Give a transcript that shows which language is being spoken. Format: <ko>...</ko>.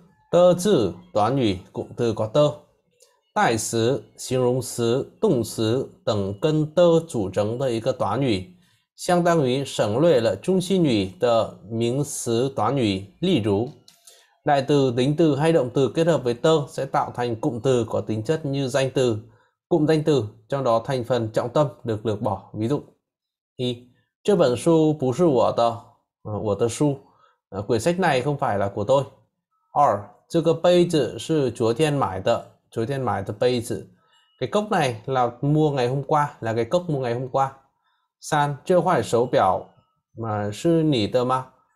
<zh>的字短语，古的瓜的，代词、形容词、动词等跟的组成的一个短语，相当于省略了中心语的名词短语。</zh> <vi>例如，</vi> <zh>代词、名词、</zh> <vi>hay động词结合với的，sẽ tạo thành cụm từ có tính chất như danh từ、cụm danh từ, trong đó thành phần trọng tâm được lược bỏ. Ví dụ,</vi> <zh>一, 这本书不是我的。我的书，</zh> <vi>quyển sách này không phải là của tôi.</vi> <zh>二，这个杯子是昨天买的，昨天买的杯子。</zh> <vi>cái cốc này là mua ngày hôm qua, là cái cốc mua ngày hôm qua.</vi> <zh>三，这块手表嘛是你的吗？</zh>